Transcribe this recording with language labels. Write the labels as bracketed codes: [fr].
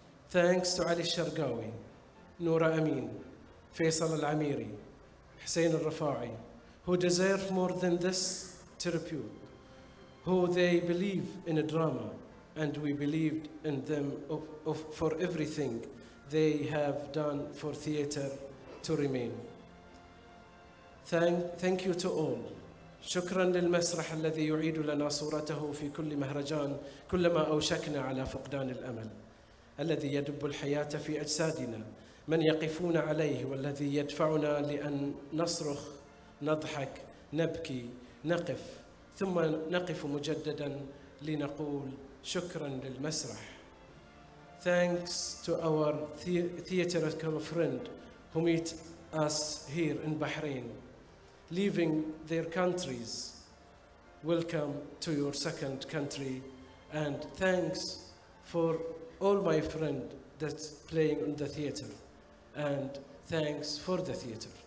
[en] Thanks to Ali Sharqawi, Noura Amin, Faisal Al-Amiri, Hussein Al-Rafa'i, who deserve more than this tribute, who they believe in a drama, and we believed in them for everything they have done for theater to remain. Thank you to all. [ar] شكرا للمسرح الذي يعيد لنا صورته في كل مهرجان كلما أوشكنا على فقدان الأمل، الذي يدب الحياة في أجسادنا من يقفون عليه، والذي يدفعنا لأن نصرخ، نضحك، نبكي، نقف، ثم نقف مجددا لنقول شكرا للمسرح. [en] Thanks to our theatrical friend who meet us here in Bahrain, leaving their countries. Welcome to your second country, and thanks for all my friend that's playing in the theater, and thanks for the theater.